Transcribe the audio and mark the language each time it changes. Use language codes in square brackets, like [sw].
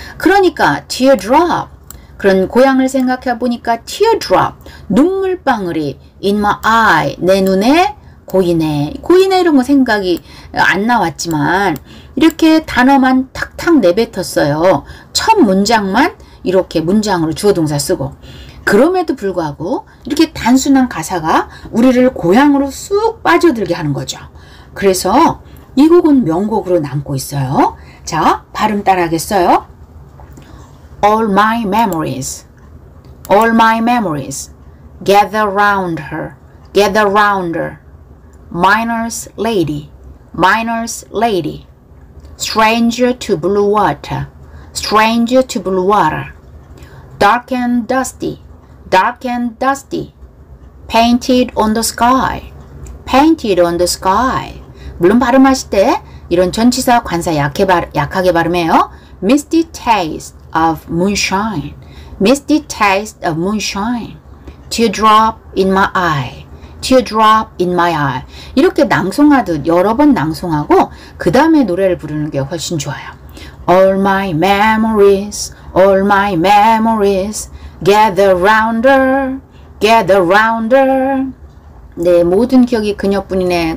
[ko] 그러니까 teardrop. 그런 고향을 생각해 보니까 teardrop, 눈물방울이 [en] in my eye, [ko] 내 눈에 고이네 이런 거 생각이 안 나왔지만 이렇게 단어만 탁탁 내뱉었어요. 첫 문장만 이렇게 문장으로 주어동사 쓰고 그럼에도 불구하고 이렇게 단순한 가사가 우리를 고향으로 쑥 빠져들게 하는 거죠. 그래서 이 곡은 명곡으로 남고 있어요. 자, 발음 따라하겠어요? [en] All my memories, all my memories, gather round her, gather round her, miner's lady, miner's lady, stranger to blue water, stranger to blue water, dark and dusty, dark and dusty, painted on the sky, painted on the sky. [ko] 물론 발음하실 때 이런 전치사 관사 약하게 발음해요. [en] Misty taste of moonshine, misty taste of moonshine, teardrop in my eye, teardrop in my eye. [ko] 이렇게 낭송하듯 여러 번 낭송하고 그 다음에 노래를 부르는 게 훨씬 좋아요. [en] All my memories, all my memories, gather round her, gather round her. [ko] 네, 모든 기억이 그녀뿐이네.